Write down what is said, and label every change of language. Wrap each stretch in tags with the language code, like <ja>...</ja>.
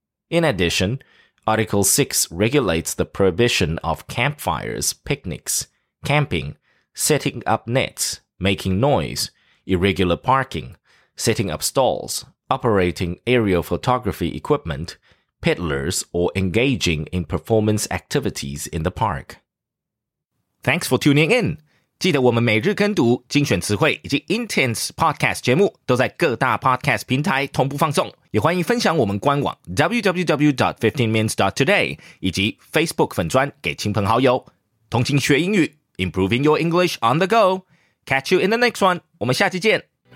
<en>In addition,Article 6 regulates the prohibition of campfires, picnics, camping, setting up nets, making noise, irregular parking, setting up stalls, operating aerial photography equipment, peddlers, or engaging in performance activities in the park. Thanks for tuning in!</en> <zh>记得我们每日跟读、精选词汇以及 Intense Podcast 节目都在各大 Podcast 平台同步放送。也欢迎分享我们官网 www.15mins.today 以及 Facebook 粉专给亲朋好友。同情学英语</zh> <en>,improving your English on the go. Catch you in the next one.</en> <zh>我们下期见。</zh>